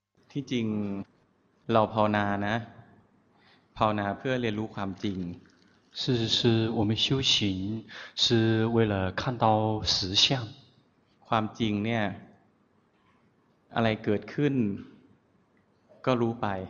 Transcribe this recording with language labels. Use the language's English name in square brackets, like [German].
[Thai] ที่จริงเราภาวนานะภาวนาเพื่อเรียนรู้ความจริง [Chinese] 是我们修行是为了看到实相 [Thai] ความจริงเนี่ยอะไรเกิดขึ้นก็รู้ไป